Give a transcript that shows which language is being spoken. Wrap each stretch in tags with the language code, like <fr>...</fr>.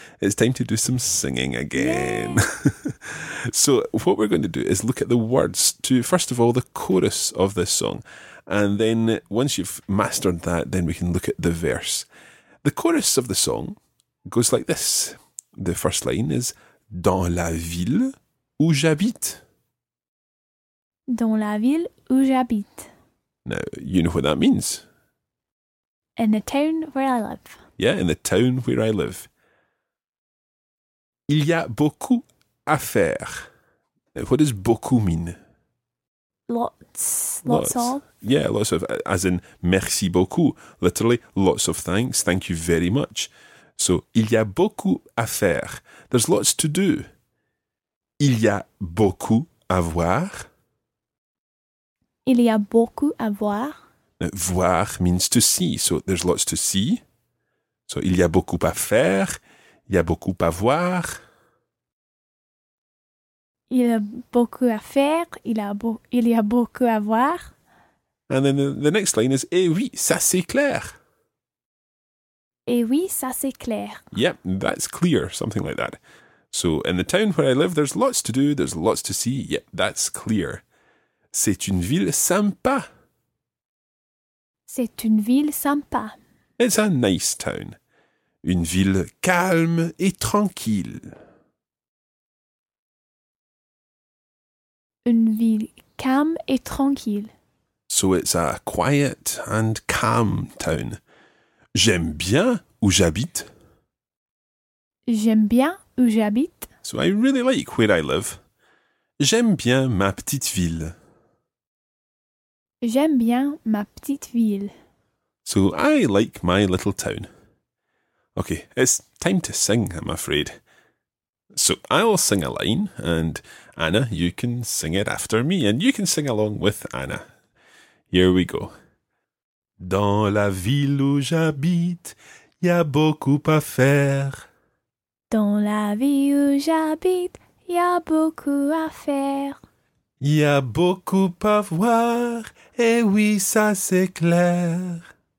<en>It's time to do some singing again. So what we're going to do is look at the words to, first of all, the chorus of this song. And then once you've mastered that, then we can look at the verse. The chorus of the song goes like this. The first line is,</en> <fr>dans la ville où j'habite. Dans la ville où j'habite.</fr> <en>Now, you know what that means. In the town where I live. Yeah, in the town where I live.</en> <fr>Il y a beaucoup à faire.</fr> <en>Now, what does beaucoup mean? Lots of. Yeah, lots of, as in</en> <fr>merci beaucoup.</fr> <en>Literally, lots of thanks. Thank you very much.</en> <fr>So, il y a beaucoup à faire.</fr> <en>There's lots to do.</en> <fr>Il y a beaucoup à voir. Il y a beaucoup à voir.</fr> <en>Voir means to see, so there's lots to see.</en> <fr>So il y a beaucoup à faire, il y a beaucoup à voir. Il y a beaucoup à faire, il y a beaucoup à voir.</fr> <en>And then the next line is,</en> <fr>eh oui, ça c'est clair. Eh oui, ça c'est clair.</fr> <en>Yep, that's clear, something like that. So in the town where I live, there's lots to do, there's lots to see. Yep, that's clear.</en> <fr>C'est une ville sympa. C'est une ville sympa.</fr> <en>It's a nice town.</en> <fr>Une ville calme et tranquille. Une ville calme et tranquille.</fr> <en>So it's a quiet and calm town.</en> <fr>J'aime bien où j'habite. J'aime bien où j'habite.</fr> <en>So I really like where I live.</en> <fr>J'aime bien ma petite ville. J'aime bien ma petite ville.</fr> <en>So I like my little town. Okay, it's time to sing, I'm afraid. So I'll sing a line, and Anna, you can sing it after me, and you can sing along with Anna. Here we go.</en> <fr>Dans la ville où j'habite, y a beaucoup à faire. Dans la ville où j'habite, y a beaucoup à faire. Y a beaucoup à voir, et oui, ça c'est clair.</fr>